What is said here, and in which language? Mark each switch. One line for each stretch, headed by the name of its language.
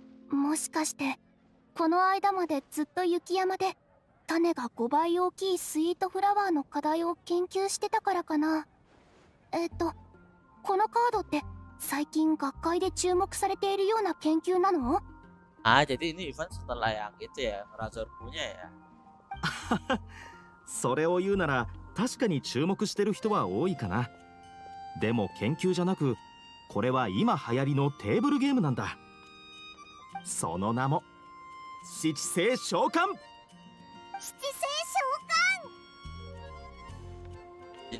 Japanese: もしかして、この間までずっと雪山で、種が5倍大きいスイートフラワーの課題を研究してたからかな。このカードって、最近学会で注目されているような研究なの？
Indonesian: あ、jadi ini event setelah yang itu ya, Razor punya ya。
Japanese: それを言うなら、確かに注目してる人は多いかな。でも研究じゃなく、これは今流行りのテーブルゲームなんだ。その名も、七星召喚！七星召喚！